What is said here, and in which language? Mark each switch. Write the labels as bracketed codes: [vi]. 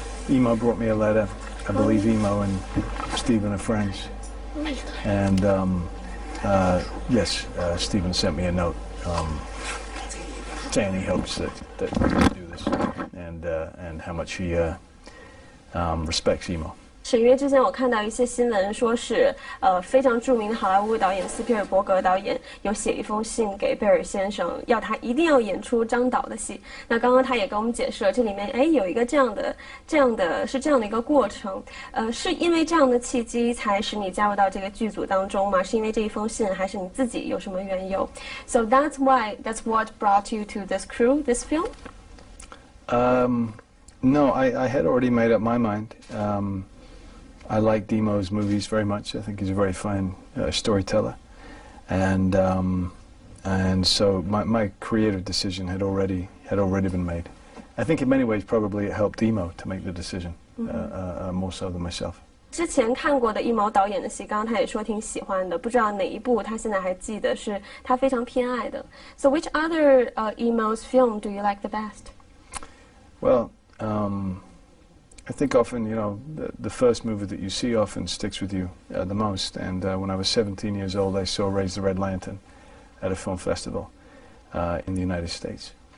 [en] Emo brought me a letter. I believe Emo and Steven are friends. And yes, Steven sent me a note saying he hopes that we can do this and how much he respects Emo. [zh] 因为之前我看到一些新闻说是非常著名的好莱坞导演斯皮尔伯格导演有写一封信给贝尔先生，要他一定要演出张导的戏。那刚刚他也跟我们解释了这里面有一个这样的一个过程，是因为这样的契机才使你加入到这个剧组当中吗？是因为这一封信，还是你自己有什么缘由？ [en] So that's what brought you to this crew, this film? No, I had already made up my mind. I like Emo's movies very much. I think he's a very fine storyteller. And so my creative decision had already been made. I think in many ways probably it helped Emo to make the decision, more so than myself. [zh] 之前看过的 Emo 导演的戏，刚刚他也说挺喜欢的，不知道哪一部他现在还记得是他非常偏爱的。 [en] So which other Emo's film do you like the best? Well, I think often, you know, the first movie that you see often sticks with you the most. And when I was 17 years old, I saw Raise the Red Lantern at a film festival in the United States.